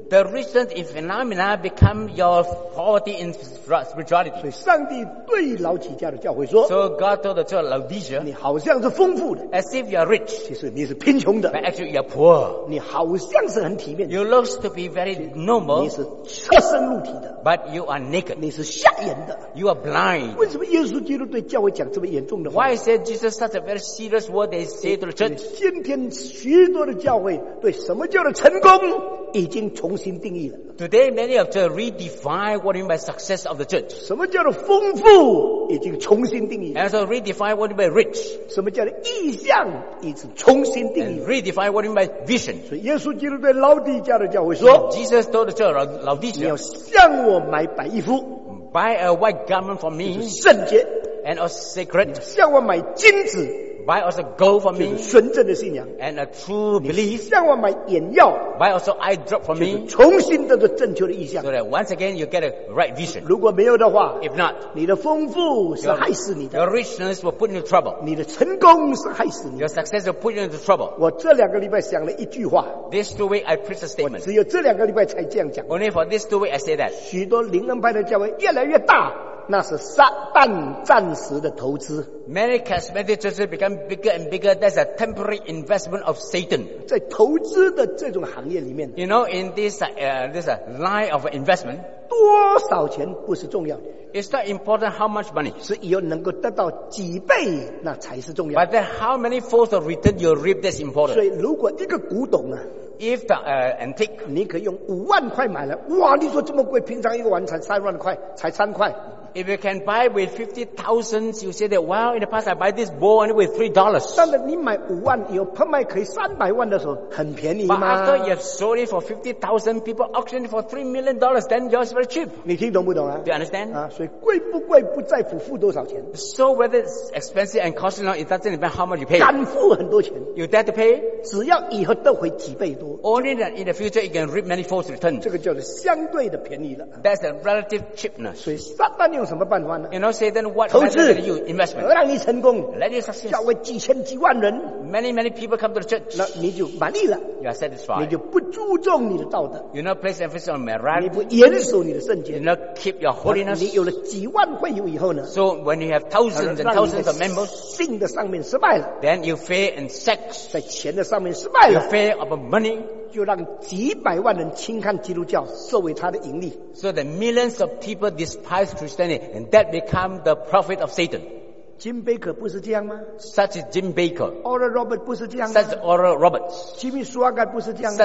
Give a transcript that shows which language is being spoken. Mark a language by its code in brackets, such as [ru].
[en] The recent phenomena become your poverty in spirituality. [zh] 所以上帝。对老底家的教会说 [en] ，So God told the church Laodicea， [zh] 你好像是丰富的 [en] ，As if you are rich， [zh] 其实你是贫穷的 [en] ，But actually you are poor， [zh] 你好像是很体面的 [en] ，You look to be very noble， [zh] 你是赤身露体的 [en] ，But you are naked， [zh] 你是瞎眼的 [en] ，You are blind。 [zh] 为什么耶稣基督对教会讲这么严重的话 [en] ？Why said Jesus such a very serious word they say to the church？ [zh] 今天许多的教会对什么叫做成功已经重新定义了。 [en] Today many of them redefine what you mean by success of the church。 [zh] 什么叫做丰富？富已经重新定义 [en] ，and so redefine what you mean by rich。 [zh] 什么叫意象已经重新定义 [en] ，and redefine what you mean by vision。 [zh] 所以耶稣基督对老底家的教会说 [en] ，Jesus told the church, 老底家， [zh] 你要向我买白衣服 [en] ，buy a white garment for me， [zh] 圣洁 [en] ，and a sacred。 [zh] 向我买金子 [en] ，buy also gold for me， [zh] 纯正的信仰 [en] ，and a true belief。 [zh] 向我买眼药 [en] ，buy also eye drop for me， [zh] 重新得到正确的意象。 [en] So that once again you get a right vision。 [zh] 如果没有的话 [en] ，if not。 [zh] 你的丰富是害死你的 [en] your richness will put you into trouble [zh] 你的成功是害死你的 [en] your success will put you into trouble [zh] 我这两个礼拜想了一句话 [en] this 2 weeks I preached a statement [zh] 我只有这两个礼拜才这样讲 [en] only for this 2 weeks I say that [zh] 许多灵恩派的教会越来越大那是撒旦暂时的投资 [en] many charismatic churches become bigger and bigger that's a temporary investment of Satan [zh] 在投资的这种行业里面 [en] you know in this, this line of investment [zh] 多少钱不是重要的 [en] It's not important how much money. [zh] 是要能够得到几倍，那才是重要。 [en] But then how many folds of return you reap, that's important. [zh] 所以如果一个古董啊 [en] If the antique， [zh] 你可以用五万块买了。哇，你说这么贵，平常一个碗才三万块，才三块。 [en] If you can buy with 50,000, you say that, well, in the past I buy this bowl only with $3. [zh] 但是你买五万，有拍卖可以三百万的时候，很便宜吗？ [en] But after you have sold it for 50,000, people auction it for $3 million, then yours is very cheap. [zh] 你听懂不懂啊？ [en] Do you understand? [zh] 啊，所以贵不贵不在乎付多少钱。 [en] So whether it's expensive and costly or not, it doesn't matter how much you pay. [zh] 敢付很多钱。 [en] You dare to pay? [zh] 只要以后得回几倍多。 [en] Only that in the future you can reap many fold return. [zh] 这个叫做相对的便宜了。 [en] That's a relative cheapness. [zh] 所以撒旦用什么办法呢？ [en] You know, say then what method you investment? [zh] 让你成功， [en] let you success， [zh] 教会几千几万人， [en] many many people come to the church， [zh] 那你就满意了， [en] you are satisfied， [zh] 你就不注重你的道德， [en] you not place emphasis on morality， [zh] 你不严守你的圣洁， [en] you not keep your holiness， [zh] 你有了几万会友以后呢？ [en] So when you have thousands and thousands of members， [zh] 性的上面失败了， [en] then you fail in sex， [zh] 在钱的上面失败了， [en] you fail about money。 [zh] 就让几百万人轻看基督教，作为他的盈利。 [en] So the millions of people despise Christianity, and that become the profit of Satan. [zh] Jim Baker 不是这样吗？ [en] Such as Jim Baker. [zh] Oral Roberts 不是这样 [en] 吗？Such as Oral Roberts. [zh] Jimmy Swagger 不是这样吗？